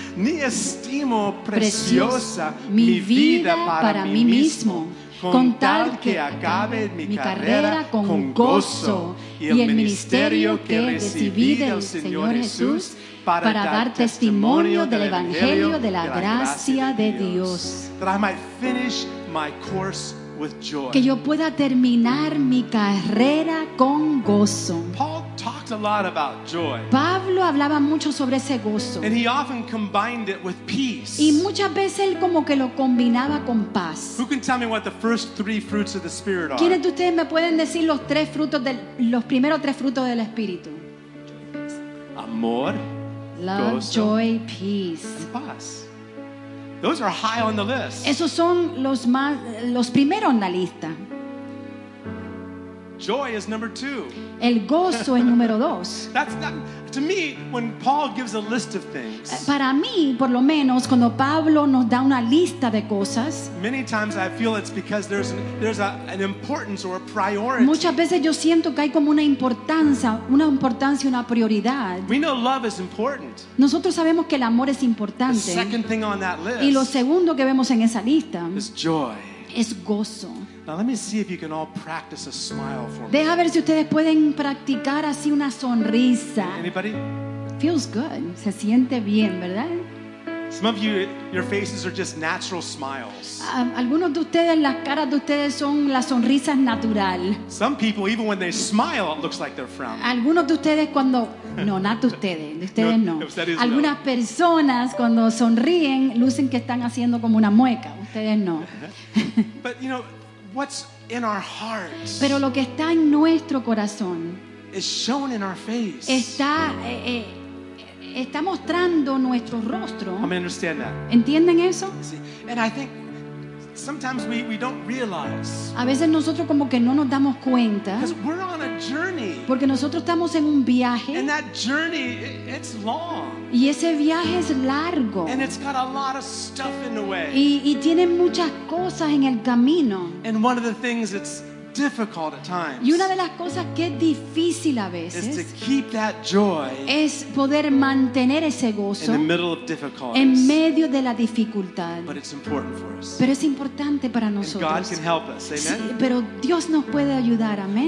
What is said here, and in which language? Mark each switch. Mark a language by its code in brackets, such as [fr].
[es] Ni estimo preciosa mi vida para mí mismo, con tal que acabe mi carrera con gozo y el ministerio que recibí del Señor Jesús para dar testimonio del Evangelio de la gracia de Dios. [en] That I might finish my course with joy. [es] Que yo pueda terminar mi carrera con gozo. [en] Paul talked a lot about joy. [es] Pablo hablaba mucho sobre ese gozo. [en] And he often combined it with peace. [es] Y muchas veces él como que lo combinaba con paz. [en] Who can tell me what the first three fruits of the Spirit are? [es] ¿Quiénes de ustedes me pueden decir los primeros tres frutos del Espíritu? Amor, [en] love, [es] gozo, [en] joy, peace. And paz. Those are high on the list. [es] Esos son los primeros en la lista. [en] Joy is number two. [es] El gozo es número dos. [en] That's not, to me, when Paul gives a list of things. [es] Para mí, por lo menos, cuando Pablo nos da una lista de cosas. [en] Many times I feel it's because there's an importance or a priority. [es] Muchas veces yo siento que hay como una importancia, una prioridad. [en] We know love is important. [es] Nosotros sabemos que el amor es importante. [en] The second thing on that list. [es] Y lo segundo que vemos en esa lista. [en] Is joy. [es] Es gozo. [en] Now let me see if you can all practice a smile for me. [es] Deja ver si ustedes pueden practicar así una sonrisa. [en] Anybody? Feels good. [es] Se siente bien, ¿verdad? [en] Some of you, your faces are just natural smiles. [es] Algunos de ustedes, las caras de ustedes son las sonrisas natural. [en] Some people, even when they smile, it looks like they're frowning. [es] Algunos de ustedes cuando no, not ustedes, de ustedes no. No. Algunas no. Personas cuando sonríen lucen que están haciendo como una mueca. Ustedes no. [en] But you know. What's in our hearts? [es] Pero lo que está en nuestro corazón [en] is shown in our face. [es] Está mostrando nuestro rostro. [en] I mean, understand that. [es] ¿Entienden eso? [en] And I think sometimes we don't realize. [es] A veces nosotros como que no nos damos cuenta. [en] Because we're on a journey. [es] Porque nosotros estamos en un viaje. [en] And that journey, it's long. [es] Y ese viaje es largo. [en] And it's got a lot of stuff in the way. [es] Y tiene muchas cosas en el camino. [en] And one of the things that's difficult at times. [es] Y una de las cosas que es difícil a veces. [en] Is to keep that joy. [es] Es poder mantener ese gozo. [en] In the middle of difficulties. [es] En medio de la dificultad. [en] But it's important for us. [es] Pero es importante para nosotros. [en] And God can help us. Amen. [es] Sí, pero Dios nos puede ayudar. Amén.